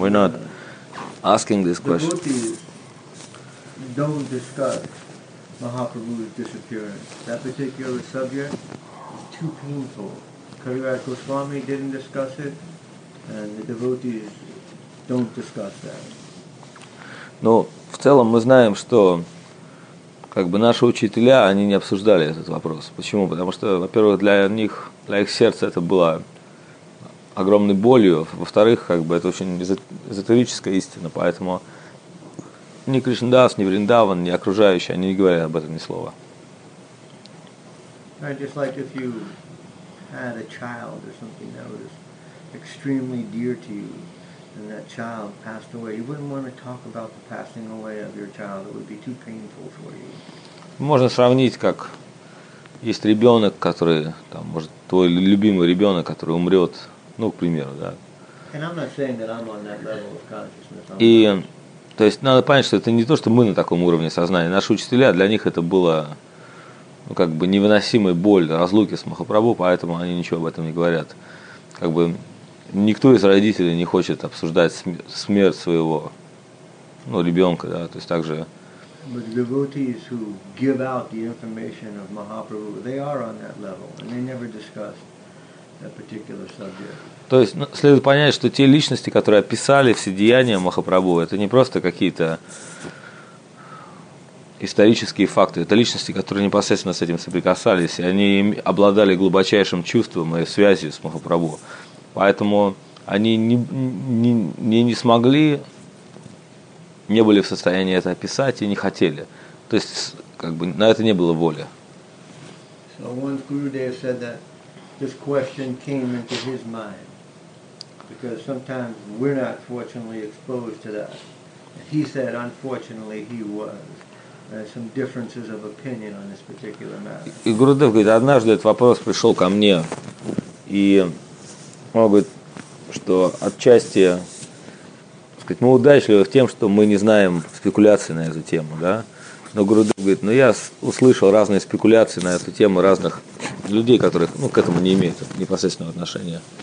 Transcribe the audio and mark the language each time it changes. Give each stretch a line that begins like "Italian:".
English: We're not asking this question. Devotees don't discuss Mahaprabhu's disappearance. That particular subject is too painful. Kaviraj Goswami didn't discuss it, and the devotees don't discuss that.
Russian: Но в целом мы знаем, что как бы наши учителя, они не обсуждали этот вопрос. Почему? Потому что, во-первых, для них, для их сердца это было огромной болью, во-вторых, как бы это очень эзотерическая истина, поэтому ни Кришнадас, ни Вриндаван, ни окружающие, они не говорят об этом ни слова.
English: I just like if you had a child or something that was extremely dear to you. And that child passed away. You wouldn't want to talk about the passing away of your child. It would be too painful for you.
Russian: Можно сравнить, как есть ребенок, который, там, может, твой любимый ребенок, который умрет, ну, к примеру, да.
English: And I'm not saying that I'm on that level of consciousness.
Russian: И, то есть, надо понять, что это не то, что мы на таком уровне сознания. Наши учителя, для них это было, ну, как бы невыносимой боль разлуки с Махапрабху, поэтому они ничего об этом не говорят. Как бы никто из родителей не хочет обсуждать смерть своего, ну, ребенка, да, то есть так же.
English: But devotees who give out the information of Mahaprabhu, they are on that level, and they never discuss that particular subject.
Russian: То есть, ну, следует понять, что те личности, которые описали все деяния Махапрабху, это не просто какие-то исторические факты, это личности, которые непосредственно с этим соприкасались, и они обладали глубочайшим чувством и связью с Махапрабху. Поэтому они не смогли, не были в состоянии это описать и не хотели. То есть как бы на это не было воли.
English: So once Gurudev said that this question came into his mind. Because sometimes we're not fortunately exposed to that. He said, unfortunately, he was. Some differences of opinion on this particular matter.
Russian: И Гурудев говорит, однажды этот вопрос пришел ко мне, и он говорит, что отчасти, так сказать, мы удачливы в тем, что мы не знаем спекуляции на эту тему, да. Но Гурудев говорит, ну я услышал разные спекуляции на эту тему разных людей, которых, ну, к этому не имеют непосредственного отношения.